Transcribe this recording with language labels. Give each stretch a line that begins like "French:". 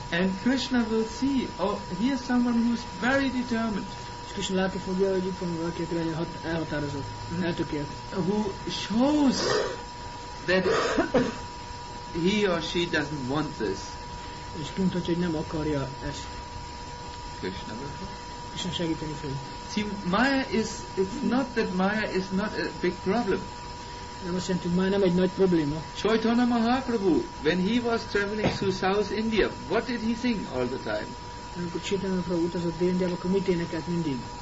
English: And Krishna will see, oh, he is someone who is very determined.
Hungarian: És Krishna látni fogja, hogy itt van valaki, aki nagyon elhatározott, eltökélt.
English: Who shows that he or she doesn't want this.
Hungarian: És kimutatja, hogy nem akarja ezt.
English: Krishna will help.
Hungarian: Krishna segíteni fog.
English: See, Maya is, it's not that Maya is not a big problem.
Hungarian: Nem azt jelenti, Maya nem egy nagy probléma.
English: Chaitanya Mahaprabhu, when he was traveling through South India, what did he sing all the time?
Hungarian: Amikor Chaitanya Mahaprabhu utazott Dél-Indiába, akkor mit énekelt mindig?